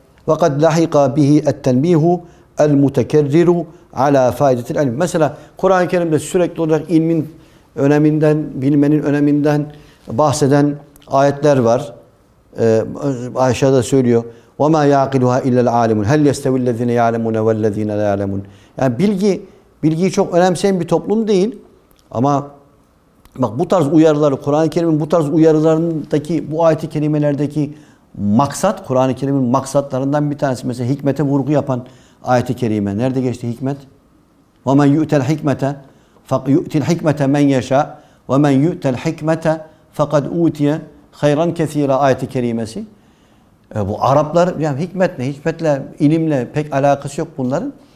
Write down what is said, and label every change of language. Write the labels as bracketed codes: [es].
[ar] وَقَدْ لَحِقَ بِهِ اَتَّنْبِيهُ الْمُتَكَرِّرُ ala faydetil ilim. [tr] Mesela Kur'an-ı Kerim'de sürekli olarak ilmin öneminden, bilmenin öneminden bahseden ayetler var. Aşağıda söylüyor. [ar] وَمَا يَعْقِلُهَا اِلَّا الْعَالِمُونَ هَلْ يَسْتَوِ الَّذِينَ يَعْلَمُونَ وَالَّذِينَ لَا يَعْلَمُونَ [tr] Yani bilgiyi çok önemseyen bir toplum değil. Ama bak bu tarz uyarıları, Kur'an-ı Kerim'in bu tarz uyarılarındaki, bu ayet-i kerimelerdeki maksat, Kur'an-ı Kerim'in maksatlarından bir tanesi mesela hikmete vurgu yapan ayet-i kerime. Nerede geçti hikmet? [ar] وَمَنْ يُؤْتَ الْحِكْمَةَ فَيُؤْتِ الْحِكْمَةَ مَنْ يَشَاءَ وَمَنْ يُؤْتَ الْحِكْمَةَ فَقَدْ اُوْتِيَ خَيْرًا كَثِيرًا [tr] ayet-i kerimesi. Bu Araplar, yani hikmetle, hikmetle, ilimle pek alakası yok bunların.